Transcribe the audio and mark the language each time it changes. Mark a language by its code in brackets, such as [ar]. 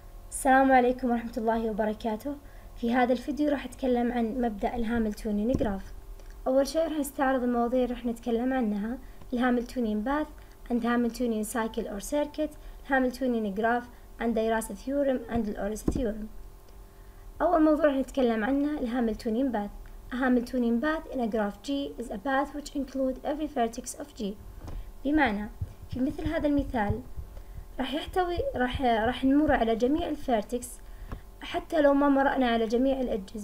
[ar] السلام عليكم ورحمة الله وبركاته. في هذا الفيديو راح أتكلم عن مبدأ الهاملتونيان جراف. أول شيء راح نستعرض المواضيع راح نتكلم عنها: الهاملتونيان باث عند هاملتونيان سايكل أو سيركت، الهاملتونيان جراف عند دايراس ثيورم عند الأوريس ثيورم. أول موضوع راح نتكلم عنه الهاملتونيان باث. [en] A Hamiltonian path in a graph G is a path which includes every vertex of G. [ar] بمعنى في مثل هذا المثال راح يحتوي راح نمر على جميع الفيرتكس حتى لو ما مرأنا على جميع الأجز.